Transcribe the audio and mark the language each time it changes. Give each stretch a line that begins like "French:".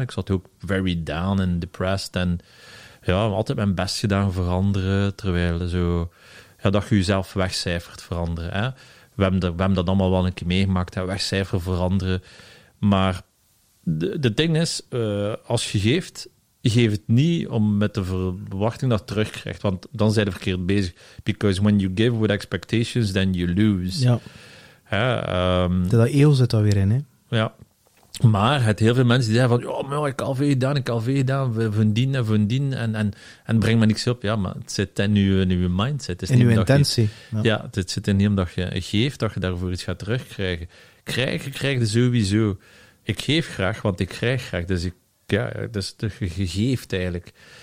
Dutch: Ik zat ook
English: very down
Dutch: en depressed en ja, altijd mijn best gedaan voor anderen, terwijl zo, ja, dat je jezelf wegcijfert voor anderen. Hè? We hebben dat allemaal wel een keer meegemaakt, hè? Wegcijferen voor anderen. Maar de ding is, als je geeft... Geef het niet om met de verwachting dat terugkrijgt, want dan zijn ze verkeerd bezig.
English: Because when you give with expectations, then you lose.
Dutch: Ja. Hè, dat ego zit daar weer in, hè? Ja. Maar het heel veel mensen die zeggen van, oh, maar ik heb al veel gedaan, vindien, en breng me niks op. Ja, maar het zit in uw mindset. In uw intentie. Ja, het zit in niet omdat je geeft dat je daarvoor iets gaat terugkrijgen. Krijg je sowieso. Ik geef graag, want ik krijg graag, dus ik ja, dat is toch gegeven eigenlijk.